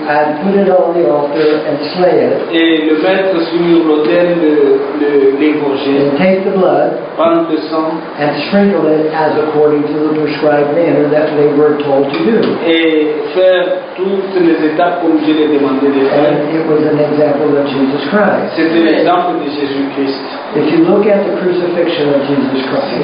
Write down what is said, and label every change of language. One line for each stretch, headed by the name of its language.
English: and put it on the altar and slay it.
French: Et le mettre sur l'autel de l'égorger.
English: And take the blood,
French: prendre le sang,
English: and sprinkle it as according to the prescribed manner that they were told to do.
French: Et faire toutes les étapes comme je l'ai demandé de faire.
English: And it was an example of Jesus Christ.
French: C'était l'exemple de Jésus Christ.
English: If you look at the crucifixion of Jesus Christ,